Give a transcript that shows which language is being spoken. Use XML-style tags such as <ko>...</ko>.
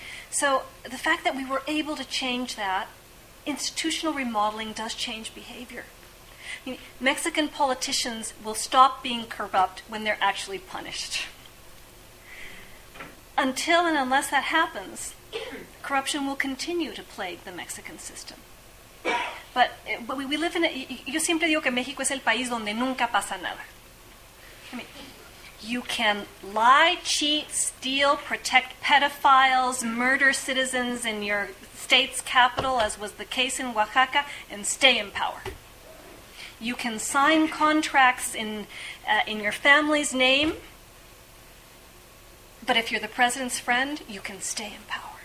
<en>So the fact that we were able to change that, institutional remodeling does change behavior. I mean, Mexican politicians will stop being corrupt when they're actually punished. Until and unless that happens, corruption will continue to plague the Mexican system. But we live in a...</en> <es>Yo siempre digo que México es el país donde nunca pasa nada.</es> <en>I mean, you can lie, cheat, steal, protect pedophiles, murder citizens in your state's capital, as was the case in Oaxaca, and stay in power. You can sign contracts in your family's name, but if you're the president's friend, you can stay in power.</en>